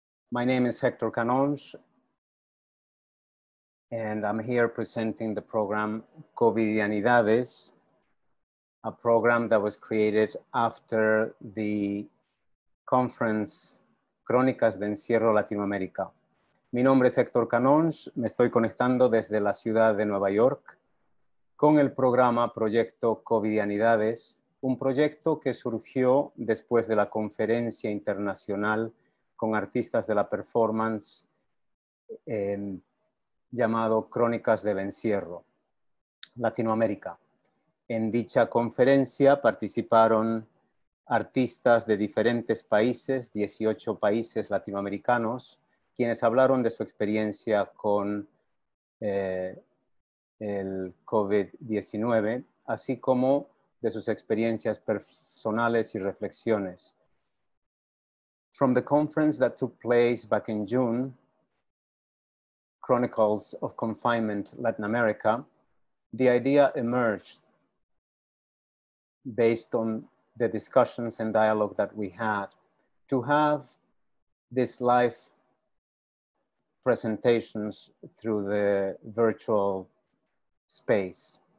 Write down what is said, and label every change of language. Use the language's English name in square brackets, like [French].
[English] My name is Hector Canonge, and I'm here presenting the program COVIDianidades, a program that was created after the conference Crónicas de Encierro Latinoamérica. [Spanish] Mi nombre es Héctor Canonge, me estoy conectando desde la ciudad de Nueva York con el programa Proyecto COVIDianidades, un proyecto que surgió después de la conferencia internacional con artistas de la performance llamado Crónicas del Encierro Latinoamérica. En dicha conferencia participaron artistas de diferentes países, 18 países latinoamericanos, quienes hablaron de su experiencia con el COVID-19, así como de sus experiencias personales y reflexiones. [English] From the conference that took place back in June, Chronicles of Confinement Latin America, the idea emerged based on the discussions and dialogue that we had to have this live presentations through the virtual space.